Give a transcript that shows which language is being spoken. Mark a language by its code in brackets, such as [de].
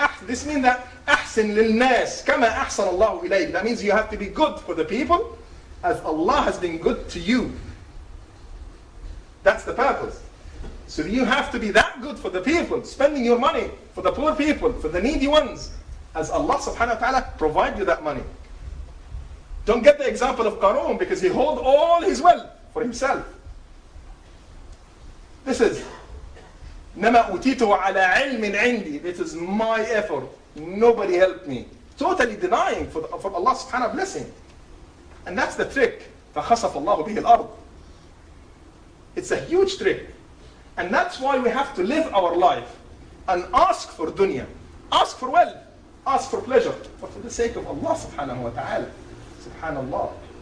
[en] This means that [ar] أحسن للناس كما أحسن الله إليك. [en] That means you have to be good for the people as Allah has been good to you. That's the purpose. So you have to be that good for the people, spending your money for the poor people, for the needy ones, as Allah subhanahu wa ta'ala provide you that money. Don't get the example of Qarun, because he hold all his wealth for himself. This is [ar] نَمَا أُوتِيتُهُ عَلَىٰ عِلْمٍ عِنْدِي. [en] This is my effort. Nobody helped me. Totally denying for Allah subhanahu wa blessing. And that's the trick. [ar] فَخَصَفَ اللَّهُ بِهِ الْأَرْضِ. [en] It's a huge trick. And that's why we have to live our life and ask for dunya. Ask for wealth. Ask for pleasure. But for the sake of Allah subhanahu wa ta'ala. Subhanallah.